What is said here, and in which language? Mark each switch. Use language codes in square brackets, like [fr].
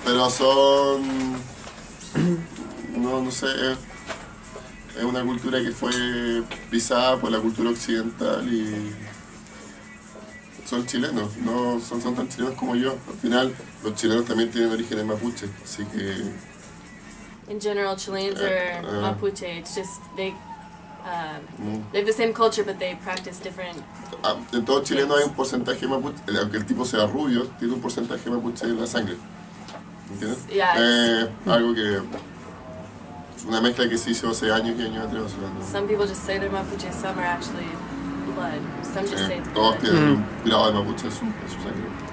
[es] Pero son... No sé. Es una cultura que fue pisada por la cultura occidental y son chilenos, no son tan chilenos como yo. Al final, los chilenos también tienen orígenes mapuche, así que... [en] In general, Chileans are mapuche. It's just they have the same culture, but they practice different... [es] En todo chileno hay un porcentaje mapuche, aunque el tipo sea rubio, tiene un porcentaje mapuche en la sangre. ¿Entiendes? [en] Yes. [es] Algo que... una mezcla que se hizo hace años y años atrás. ¿No? [en] Some people just say they're Mapuche, some are actually blood. Some just say blood. [es] Todos tienen un grado de Mapuche en su sangre.